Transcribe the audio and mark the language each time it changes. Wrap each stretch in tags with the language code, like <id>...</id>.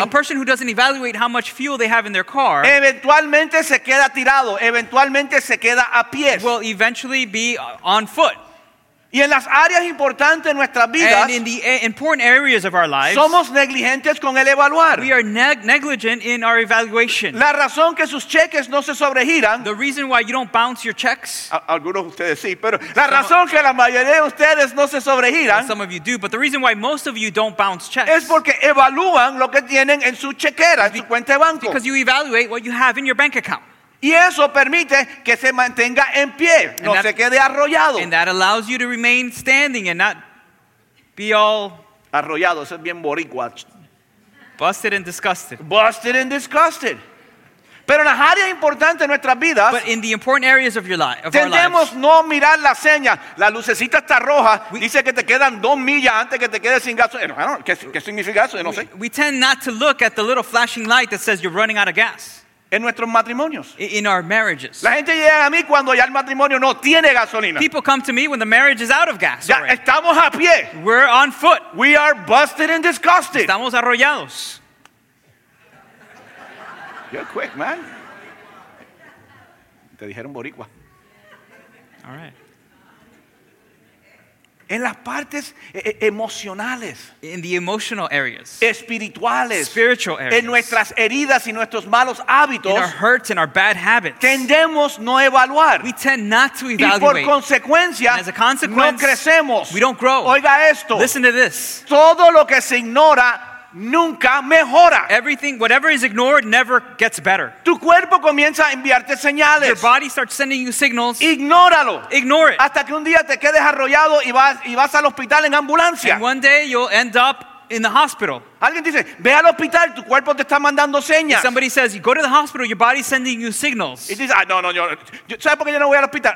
<en>A person who doesn't evaluate how much fuel they have in their car.</en> <es>Eventualmente se queda tirado. Eventualmente se queda a pies.</es> <en>Will eventually be on foot.</en> <es>Y en las áreas importantes de nuestras vidas,</es> <en>and in the important areas of our lives,</en> <es>somos negligentes con el evaluar.</es> <en>We are negligent in our evaluation.</en> <es>La razón que sus cheques no se sobregiran,</es> <en>the reason why you don't bounce your checks,</en> <es>algunos de ustedes sí, pero la razón que la mayoría de ustedes no se sobregiran,</es> <en>some of you do, but the reason why most of you don't bounce checks,</en> <es>es porque evalúan lo que tienen en su chequera, en su cuenta de banco.</es> <en>Because you evaluate what you have in your bank account.</en> <es>Y eso permite que se mantenga en pie, no se quede arrollado.</es> <en>And that allows you to remain standing and not be all</en> <es>arrollado, eso es bien boricua.</es> <en>Busted and disgusted. Busted and disgusted.</en> <es>Pero en las áreas importantes de nuestras vidas,</es> <en>but in the important areas of your life,</en> <es>tendemos no mirar la seña. La lucecita está roja, dice que te quedan 2 millas antes que te quedes sin gas. ¿Qué significa eso? No sé.</es> <en>We tend not to look at the little flashing light that says you're running out of gas.</en> <es>En nuestros matrimonios.</es> <en>In our marriages.</en> <es>La gente llega a mí cuando ya el matrimonio no tiene gasolina.</es> <en>People come to me when the marriage is out of gas.</en> <es>Ya estamos a pie.</es> <en>We're on foot. We are busted and disgusted.</en> <es>Estamos arrollados.</es> <en>You're quick, man.</en> <es>Te dijeron boricua.</es> <en>All right.</en> <es>En las partes emocionales.</es> <en>In the emotional areas.</en> <es>Espirituales.</es> <en>Spiritual areas.</en> <es>En nuestras heridas y nuestros malos hábitos.</es> <en>In our hurts and our bad habits.</en> <es>Tendemos no evaluar.</es> <en>We tend not to evaluate.</en> <es>Y por consecuencia,</es> <en>and as a consequence,</en> <es>no crecemos.</es> <en>We don't grow.</en> <es>Oiga esto.</es> <en>Listen to this.</en> <es>Todo lo que se ignora nunca mejora.</es> <en>Everything, whatever is ignored, never gets better.</en> <es>Tu cuerpo comienza a enviarte señales.</es> <en>Your body starts sending you signals.</en> <es>Ignóralo.</es> <en>Ignore it.</en> <es>Hasta que un día te quedes arrollado y vas al hospital en ambulancia.</es> <en>And one day you'll end up in the hospital.</en> <es>Alguien dice, ve al hospital, tu cuerpo te está mandando señas.</es> <en>If somebody says, you go to the hospital, your body's sending you signals. It is,</en> <es>no, ¿sabes por qué yo no voy al hospital?</es>